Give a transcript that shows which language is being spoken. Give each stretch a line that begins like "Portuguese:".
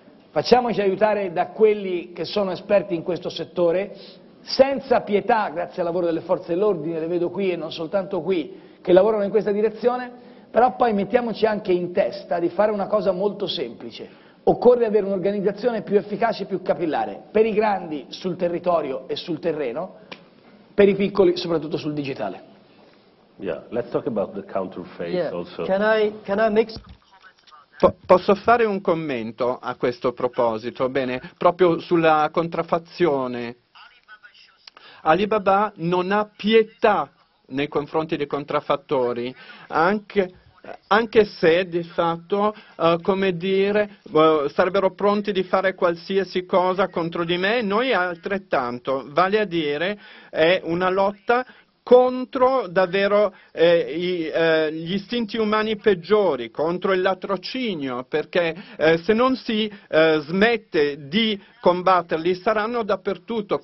Italian: Facciamoci aiutare da quelli che sono esperti in questo settore, senza pietà, grazie al lavoro delle forze dell'ordine, le vedo qui e non soltanto qui, che lavorano in questa direzione, però poi mettiamoci anche in testa di fare una cosa molto semplice. Occorre avere un'organizzazione più efficace e più capillare, per i grandi sul territorio e sul terreno, per i piccoli soprattutto sul digitale.
English: Yeah, let's talk about the counterfeit also. Can I mix?
Italian: Posso fare un commento a questo proposito? Bene, proprio sulla contraffazione. Alibaba non ha pietà nei confronti dei contraffattori, anche se di fatto, come dire, sarebbero pronti di fare qualsiasi cosa contro di me, noi altrettanto, vale a dire, è una lotta contro davvero gli istinti umani peggiori, contro il latrocinio, perché se non si smette di combatterli saranno dappertutto.